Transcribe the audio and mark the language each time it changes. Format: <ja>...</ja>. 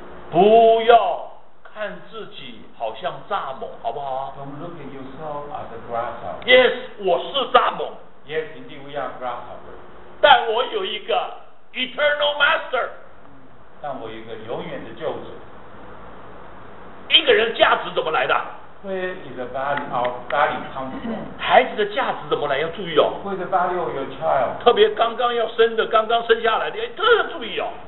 <zh>不要看自己好像蚱蜢好不好</zh> <en>Don't look at yourself as a grasshopper</en> <zh>Yes, 我是蚱蜢</zh> <en>Yes, indeed we are grasshopper</en> <zh>但我有一个</zh> <en>eternal master</en> <zh>但我有一个永远的救主一个人价值怎么来的</zh> <en>Where is the value of value come from?</en> <zh>孩子的价值怎么来？要注意哦。</zh> <en>Where is the value of your child?</en> <zh>特别刚刚要生的，刚刚生下来的，哎，特别注意哦。</zh>